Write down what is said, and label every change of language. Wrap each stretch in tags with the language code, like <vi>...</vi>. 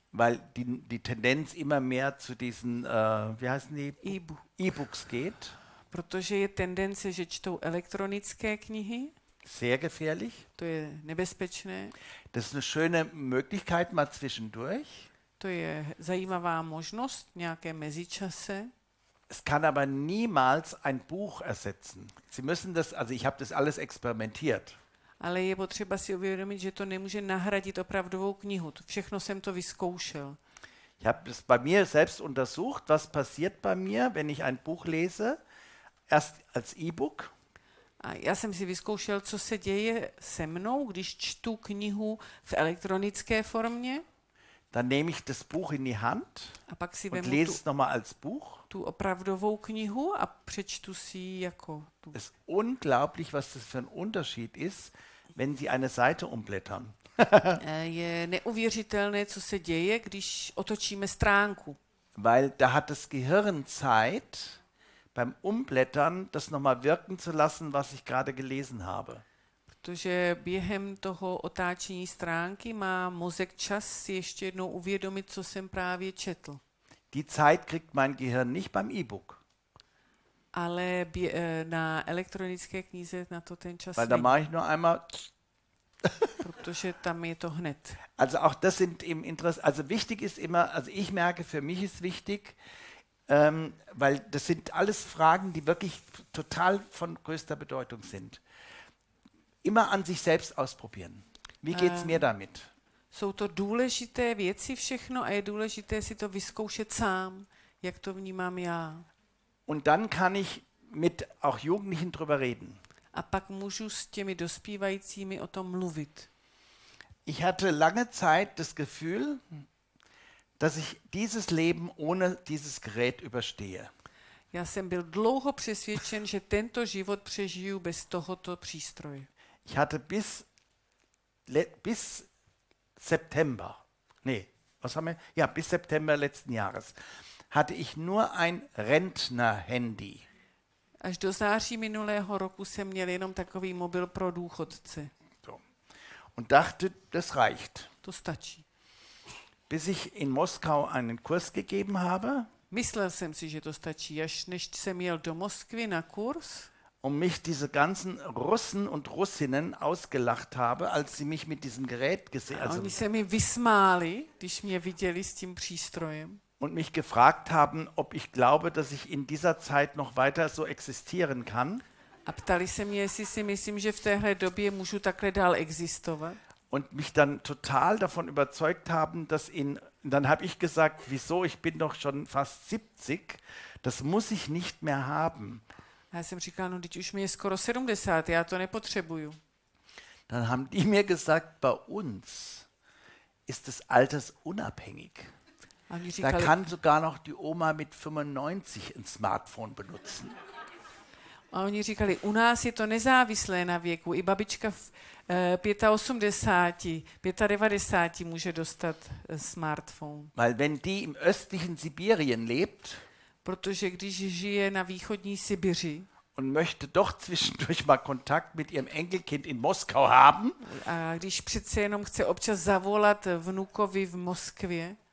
<de>weil die Tendenz immer mehr zu diesen wie heißen die E-Books geht,</de> <cs>protože je tendence, že čtou elektronické knihy.</cs> <de>Sehr gefährlich.</de> <cs>To je nebezpečné.</cs> <de>Das ist eine schöne Möglichkeit mal zwischendurch.</de> <cs>To je zajímavá možnost nějaké mezičase.</cs> <de>Es kann aber niemals ein Buch ersetzen. Sie müssen das, also ich habe das alles experimentiert.</de> <cs>Ale je potřeba si uvědomit, že to nemůže nahradit opravdovou knihu. Všechno jsem to vyzkoušel.</cs> <de>Ich habe das bei mir selbst untersucht, was passiert bei mir, wenn ich ein Buch lese, erst als E-Book.</de> <cs>A já jsem si vyzkoušel, co se děje se mnou, když čtu knihu v elektronické formě.</cs> <de>Dann nehme ich das Buch in die Hand und lese es nochmal als Buch.</de> <cs>Tu opravdovou knihu a přečtu si ji jako tu.</cs> <de>Es ist unglaublich, was das für ein Unterschied ist, wenn Sie eine Seite umblättern.</de> <cs>Je neuvěřitelné, co se děje, když otočíme stránku.</cs> <de>Weil da hat das Gehirn Zeit, beim Umblättern das nochmal wirken zu lassen, was ich gerade gelesen habe.</de> <cs>Protože během toho otáčení stránky má mozek čas si ještě jednou uvědomit, co jsem právě četl.</cs> <de>Die Zeit kriegt mein Gehirn nicht beim E-Book.</de> <cs>Ale na elektronické knize na to ten čas.</cs> <de>Weil da mache ich nur einmal.</de> <cs>Protože tam je to hned.</cs> <de>Also auch das sind im Interesse. Also wichtig ist immer, also ich merke, für mich ist wichtig, weil das sind alles Fragen, die wirklich total von größter Bedeutung sind. Immer an sich selbst ausprobieren. Wie geht's mir damit?</de> <cs>Jsou to důležité věci všechno a je důležité si to vyzkoušet sám, jak to vnímám já.</cs> <de>Und dann kann ich mit auch Jugendlichen drüber reden.</de> <cs>A pak můžu s těmi dospívajícími o tom mluvit.</cs> <de>Ich hatte lange Zeit das Gefühl, dass ich dieses Leben ohne dieses Gerät überstehe.</de> <cs>Já jsem byl dlouho přesvědčen, že tento život přežiju bez tohoto přístroje.</cs> <de>Ich hatte bis September. Nee, was haben wir? Ja, bis September letzten Jahres hatte ich nur ein Rentner-Handy.</de> <cs>Až do září minulého roku jsem měl jenom takový mobil pro důchodce.</cs> <de>So. Und dachte, das reicht.</de> <cs>To stačí.</cs> <de>Bis ich in Moskau einen Kurs gegeben habe.</de> <cs>Myslel jsem si, že to stačí, až než jsem jel do Moskvy na kurz.</cs> <de>Um mich diese ganzen Russen und Russinnen ausgelacht habe, als sie mich mit diesem Gerät gesehen haben.</de> <cs>Oni se mi vysmáli, když mě viděli s tím přístrojem.</cs> <de>Und mich gefragt haben, ob ich glaube, dass ich in dieser Zeit noch weiter so existieren kann.</de> <cs>A ptali se mě, jestli si myslím, že v téhle době můžu takhle dál existovat.</cs> <de>Und mich dann total davon überzeugt haben, dass in dann habe ich gesagt, wieso, ich bin doch schon fast 70, das muss ich nicht mehr haben.</de> <cs>Já jsem říkal, no, teď už mi je skoro 70, já to nepotřebuju.</cs> <de>Dann haben die mir gesagt, bei uns ist das altersunabhängig. Da kann sogar noch die Oma mit 95 ein Smartphone benutzen.</de> <cs>A oni říkali, u nás je to nezávislé na věku. I babička v 95 může dostat smartphone.</cs> <de>Weil wenn die im östlichen Sibirien lebt,</de> <cs>protože když žije na východní Sibiři,</cs> <de>und möchte doch zwischendurch mal Kontakt mit ihrem Enkelkind in Moskau haben,</de> <cs>a když přece jenom chce občas zavolat vnukovi v Moskvě,</cs>